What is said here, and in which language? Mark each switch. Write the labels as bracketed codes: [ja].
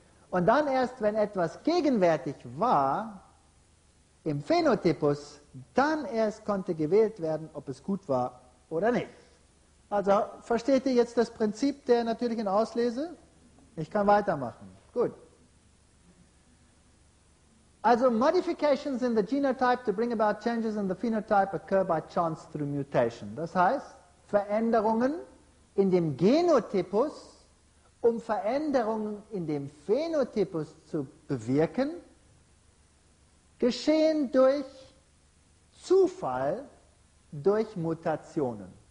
[de] Und dann erst, wenn etwas gegenwärtig war, im Phänotypus, dann erst konnte gewählt werden, ob es gut war oder nicht. Also, versteht ihr jetzt das Prinzip der natürlichen Auslese? Ich kann weitermachen. Gut. [en] Also modifications in the genotype to bring about changes in the phenotype occur by chance through mutation. [de] Das heißt, Veränderungen in dem Genotypus, um Veränderungen in dem Phänotypus zu bewirken, geschehen durch Zufall, durch Mutationen.